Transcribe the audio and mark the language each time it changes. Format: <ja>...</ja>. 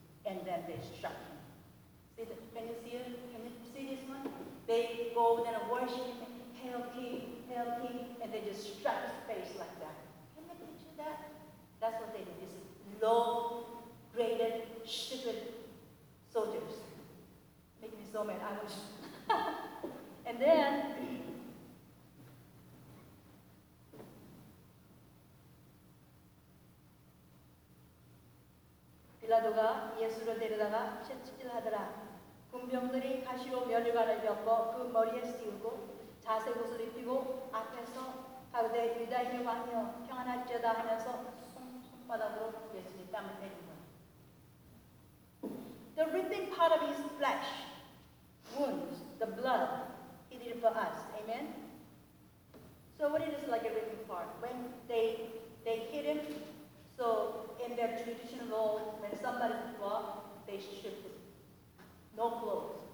<en>And then they struck him. Can you see this one? They go and worship him, hail King, and they just strut his face like that. Can you picture that? That's what they did. This low-graded, stupid soldiers. Make me so mad. I was. And then,</en> <ko>Pilato가 예수를 데려다가 채찍질 하더라. 군병들이 가시로 면류관을 엮어 그 머리에 씌우고 자색 옷을 입히고 앞에서 가로대 유다인의 왕이여 평안할지어다 하면서 손바닥으로 예수님 땀을 내린 거예요.</ko> <en>The ripping part of his flesh, wounds, the blood, he did it for us. Amen? So what is this like a ripping part? When they hit him, so in their traditional law, when somebody fought, they stripped him. No clothes.</en>